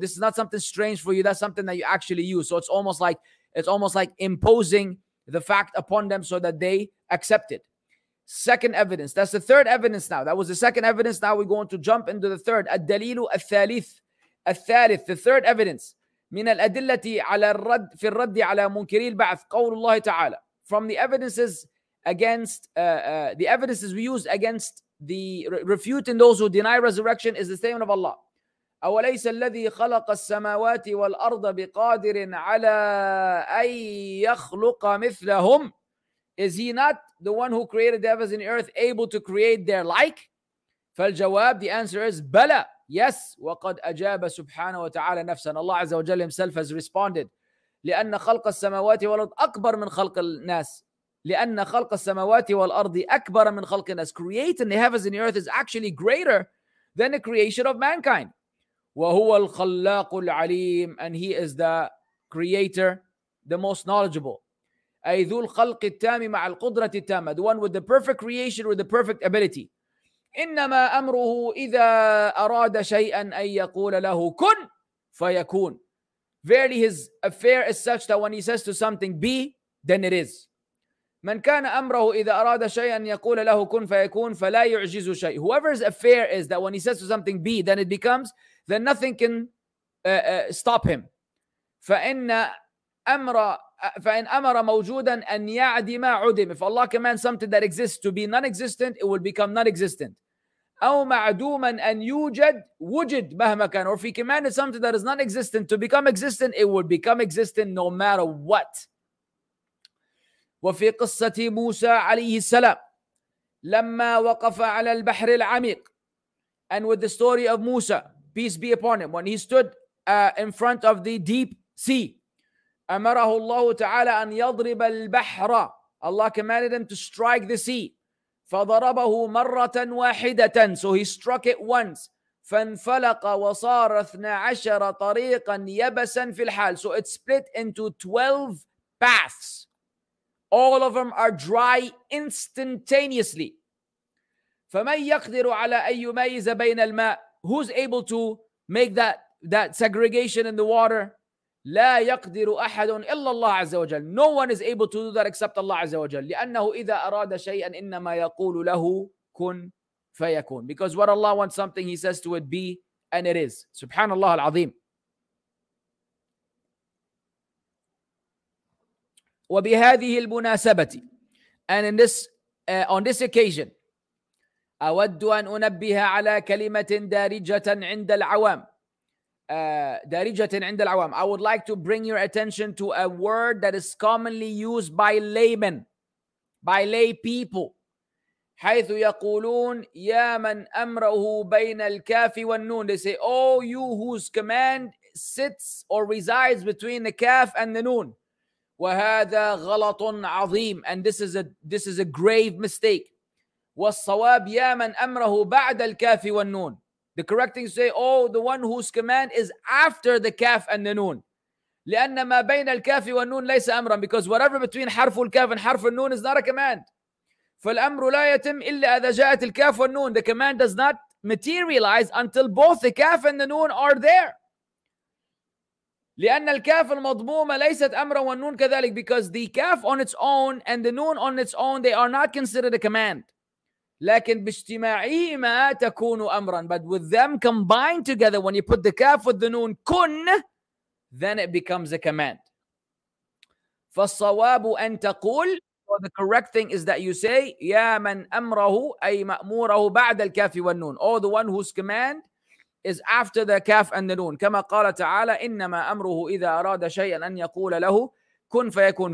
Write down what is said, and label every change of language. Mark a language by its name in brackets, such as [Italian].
[English] This is not something strange for you. That's something that you actually use. So it's almost like imposing the fact upon them so that they accept it. Second evidence. That's the third evidence now. That was the second evidence. Now we're going to jump into the third. [Arabic] الدليل الثالث. الثالث. [English] The third evidence. [Arabic] من الأدلة على الرد في الرد على منكري البعث. قول الله تعالى. [English] From the evidences against the evidences we use against the refuting those who deny resurrection is the statement of Allah. [Arabic] أوليس الذي خلق السماوات والأرض بقادر على أن يخلق مثلهم. [English] Is he not the one who created the heavens and the earth able to create their like? [Arabic] فالجواب, [English] the answer is [Arabic] بلى. [English] Yes. [Arabic] وقد أجاب سبحانه وتعالى نفسه. [English] Allah عز وجل himself has responded. [Arabic] لأن خلق السماوات والأرض أكبر من خلق الناس. لأن خلق السماوات والأرض أكبر من خلق الناس. [English] Creating the heavens and the earth is actually greater than the creation of mankind. [Arabic] وهو الخلاق العليم. [English] And he is the creator, the most knowledgeable. [Arabic] أي ذو الخلق التام مع القدرة التامة. [English] The one with the perfect creation, with the perfect ability. [Arabic] إنما أمره إذا أراد شيئا أن يقول له كن فيكون. [English] Verily his affair is such that when he says to something be, then it is. [Arabic] من كان أمره إذا أراد شيئا يقول له كن فيكون فلا يعجز شيء. [English] Whoever's affair is that when he says to something be, then it becomes, then nothing can stop him. [Arabic] فإن أمر موجودا أن يعدم عدم. [English] If Allah commands something that exists to be non-existent, it will become non-existent. [Arabic] أو معدوما أن يوجد وجد مهما كان. [English] Or if he commanded something that is non-existent to become existent, it will become existent no matter what. [Arabic] وفي قصة موسى عليه السلام لما وقف على البحر العميق. [English] And with the story of Musa, peace be upon him, when he stood in front of the deep sea, [Arabic] أمره الله تعالى أن يضرب البحر. [English] Allah commanded him to strike the sea. [Arabic] فضربه مرة واحدة. [English] So he struck it once. [Arabic] فانفلق وصار 12 طريقا يبسا في الحال. [English] So it split into 12 paths. All of them are dry instantaneously. [Arabic] فمن يقدر على أن يميز بين الماء. [English] Who's able to make that segregation in the water? [Arabic] لا يقدر أحد إلا الله عز وجل. [English] No one is able to do that except Allah عز وجل. [Arabic] لأنه إذا أراد شيئا إنما يقول له كن فيكون. [English] Because what Allah wants something, he says to it be, and it is. [Arabic] سبحان الله العظيم. وبهذه المناسبة, [English] and in this on this occasion, [Arabic] أود أن أنبه على كلمة دارجة عند العوام. دارجة عند العوام. [English] I would like to bring your attention to a word that is commonly used by laymen, by lay people. [Arabic] حيث يقولون يا من أمره بين الكاف والنون. [English] They say, oh, you whose command sits or resides between the kaf and the noon. [Arabic] وهذا غلط عظيم. [English] And this is a grave mistake. [Arabic] والصواب يا من أمره بعد الكاف والنون. [English] The correct thing to say, oh, the one whose command is after the kaf and the noon. [Arabic] لأن ما بين الكاف والنون ليس أمرا. [English] Because whatever between حرف الكاف and حرف النون is not a command. [Arabic] فالأمر لا يتم إلا إذا جاءت الكاف والنون. [English] The command does not materialize until both the kaf and the noon are there. [Arabic] لأن الكاف المضمومة ليست أمرا والنون كذلك. [English] Because the kaf on its own and the noon on its own, they are not considered a command. [Arabic] لكن باجتماعهما تكون أمرا. [English] But with them combined together, when you put the kaf with the noon, كن, then it becomes a command. [Arabic] فالصواب أن تقول, [English] or the correct thing is that you say, [Arabic] يا من أمره أي مأموره بعد الكاف والنون. [English] Oh, the one whose command is after the kaf and the noon. [Arabic] كما قال تعالى إنما أمره إذا أراد شيئا أن يقول له كن فيكون.